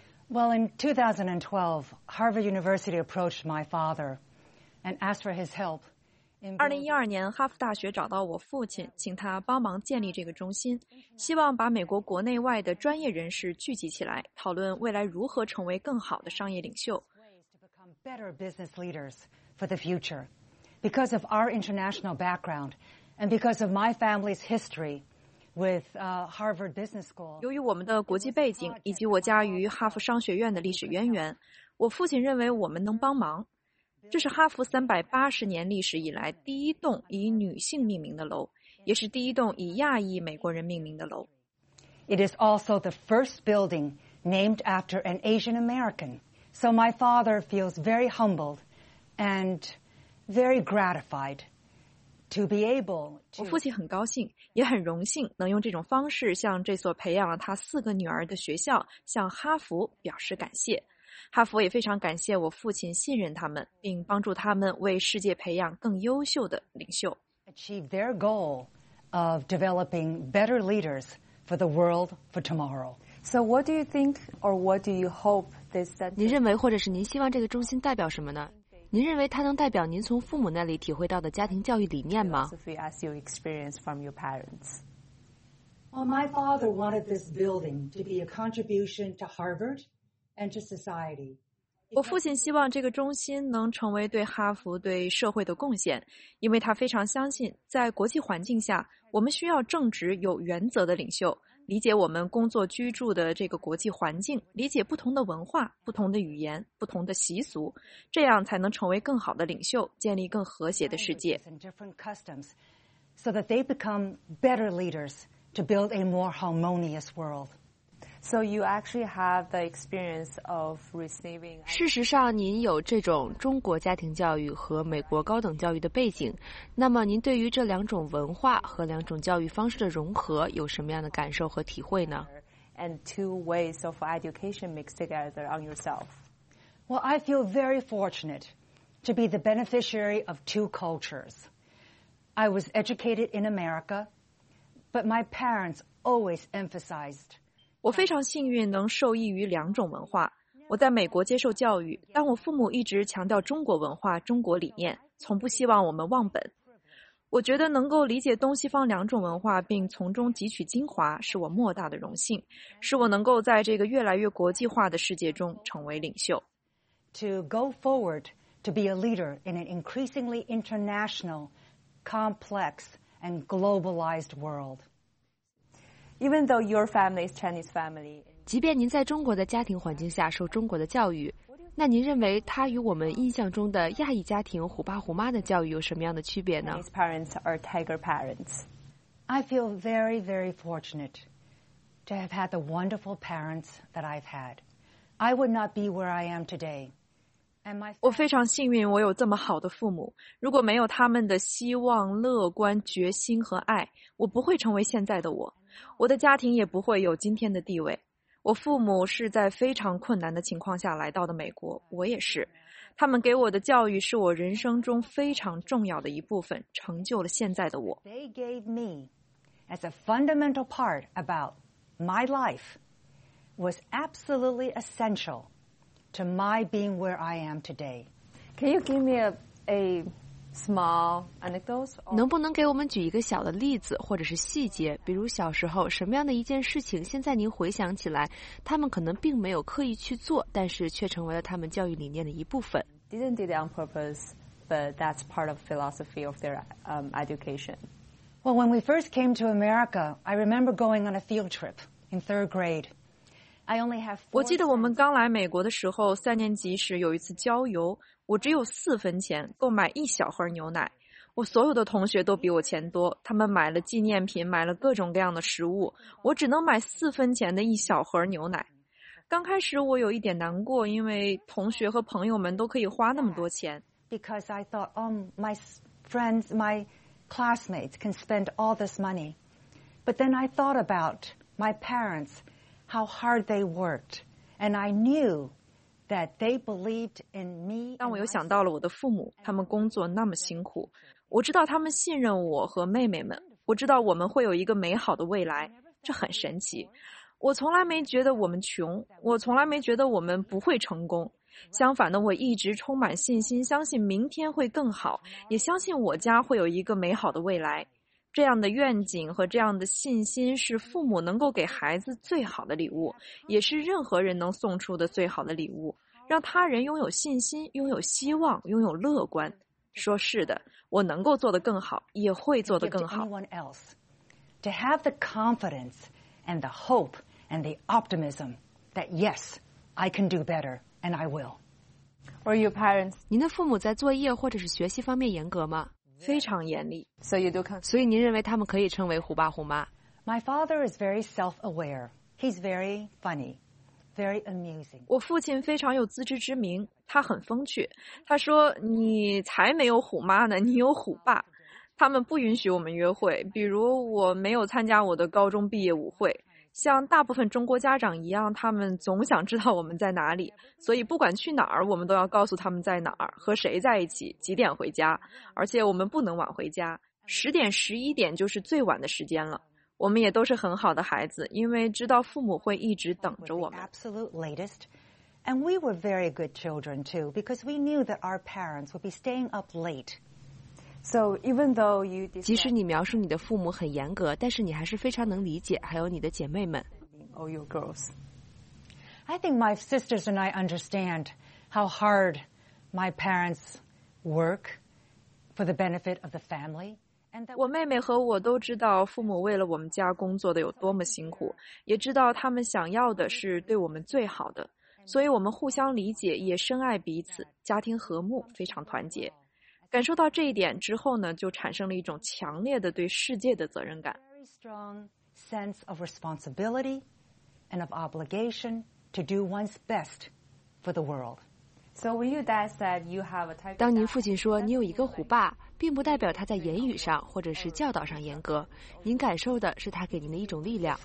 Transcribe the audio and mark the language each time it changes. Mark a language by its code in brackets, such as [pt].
[en] Well, in 2012, Harvard University approached my father and asked for his help [zh] 2012年，哈佛大学找到我父亲，请他帮忙建立这个中心，希望把美国国内外的专业人士聚集起来，讨论未来如何成为更好的商业领袖。 [en] Better business leaders for the future. Because of our international background and because of my family's history with Harvard Business School. [zh] 由于我们的国际背景以及我家与哈佛商学院的历史渊源，我父亲认为我们能帮忙。这是哈佛380年历史以来第一栋以女性命名的楼，也是第一栋以亚裔美国人命名的楼。 [en] It is also the first building named after an Asian American. So my father feels very humbled and very gratified to be able. [zh] 我父亲很高兴，也很荣幸能用这种方式向这所培养了他四个女儿的学校，向哈佛表示感谢。哈佛也非常感谢我父亲信任他们，并帮助他们为世界培养更优秀的领袖。 [en] Achieve their goal of developing better leaders for the world for tomorrow. So what do you think or what do you hope this center? [zh] 您认为或者是您希望这个中心代表什么呢？您认为它能代表您从父母那里体会到的家庭教育理念吗？ [en] As you experience from your parents. Well, my father wanted this building to be a contribution to Harvard. And to society. [zh] 我父亲希望这个中心能成为对哈佛对社会的贡献，因为他非常相信在国际环境下我们需要正直有原则的领袖，理解我们工作居住的这个国际环境，理解不同的文化、不同的语言、不同的习俗，这样才能成为更好的领袖，建立更和谐的世界。 [en] different customs, so that they become better leaders to build a more harmonious world. So you actually have the experience of receiving. [zh] 事实上，您有这种中国家庭教育和美国高等教育的背景，那么您对于这两种文化和两种教育方式的融合有什么样的感受和体会呢 [en] ？And two ways of education mixed together on yourself. Well, I feel very fortunate to be the beneficiary of two cultures. I was educated in America, but my parents always emphasized. [zh] 我非常幸运能受益于两种文化。我在美国接受教育，但我父母一直强调中国文化、中国理念，从不希望我们忘本。我觉得能够理解东西方两种文化并从中汲取精华是我莫大的荣幸，使我能够在这个越来越国际化的世界中成为领袖。 [en] To go forward to be a leader in an increasingly international, complex and globalized world. Even though your family is Chinese family, [zh] 即便您在中国的家庭环境下受中国的教育，那您认为它与我们印象中的亚裔家庭虎爸虎妈的教育有什么样的区别呢 [en] ？Chinese parents are tiger parents. I feel very, very fortunate to have had the wonderful parents that I've had. I would not be where I am today. [zh] 我非常幸运，我有这么好的父母。如果没有他们的希望、乐观、决心和爱，我不会成为现在的我。我的家庭也不会有今天的地位。我父母是在非常困难的情况下来到的美国，我也是。他们给我的教育是我人生中非常重要的一部分，成就了现在的我。 [en] They gave me as a fundamental part about my life was absolutely essential to my being where I am today. Can you give me a small anecdotes? [zh] 能不能给我们举一个小的例子或者是细节，比如小时候什么样的一件事情，现在您回想起来，他们可能并没有刻意去做，但是却成为了他们教育理念的一部分。 [en] Didn't do it on purpose, but that's part of philosophy of their education. Well, when we first came to America, I remember going on a field trip in third grade. I only have. [zh] 我记得我们刚来美国的时候，三年级时有一次郊游。我只有4分钱购买一小盒牛奶，我所有的同学都比我钱多，他们买了纪念品，买了各种各样的食物，我只能买4分钱的一小盒牛奶。刚开始我有一点难过，因为同学和朋友们都可以花那么多钱。 [en] Because I thought, my friends, my classmates can spend all this money. But then I thought about my parents, how hard they worked, and I knew. That they believed in me. [zh] 当我又想到了我的父母，他们工作那么辛苦，我知道他们信任我和妹妹们，我知道我们会有一个美好的未来，这很神奇。我从来没觉得我们穷，我从来没觉得我们不会成功。相反呢，我一直充满信心，相信明天会更好，也相信我家会有一个美好的未来。这样的愿景和这样的信心是父母能够给孩子最好的礼物，也是任何人能送出的最好的礼物，让他人拥有信心，拥有希望，拥有乐观，说是的，我能够做得更好，也会做得更好。 [en] To anyone else, to have the confidence and the hope and the optimism that yes, I can do better and I will. Were your parents? [zh] 您的父母在作业或者是学习方面严格吗？非常严厉。 [en] So you do come. [zh] 所以您认为他们可以称为虎爸虎妈？ [en] My father is very self-aware. He's very funny. [zh] 我父亲非常有自知之明，他很风趣，他说你才没有虎妈呢，你有虎爸。他们不允许我们约会，比如我没有参加我的高中毕业舞会。像大部分中国家长一样，他们总想知道我们在哪里，所以不管去哪儿，我们都要告诉他们在哪儿，和谁在一起，几点回家。而且我们不能晚回家，10点、11点就是最晚的时间了。我们也都是很好的孩子，因为知道父母会一直等着我们。 [en] Absolute latest, and we were very good children too, because we knew that our parents would be staying up late. So even though you, [zh] 即使你描述你的父母很严格，但是你还是非常能理解，还有你的姐妹们。 [en] All your girls. I think my sisters and I understand how hard my parents work for the benefit of the family. [zh] 我妹妹和我都知道父母为了我们家工作的有多么辛苦，也知道他们想要的是对我们最好的，所以我们互相理解，也深爱彼此，家庭和睦，非常团结。感受到这一点之后呢，就产生了一种强烈的对世界的责任感。 [en] Very strong sense of responsibility and of obligation to do one's best for the world. So when your dad said you have a type, [zh] 当您父亲说你有一个虎爸。并不代表他在言语上或者是教导上严格，您感受的是他给您的一种力量。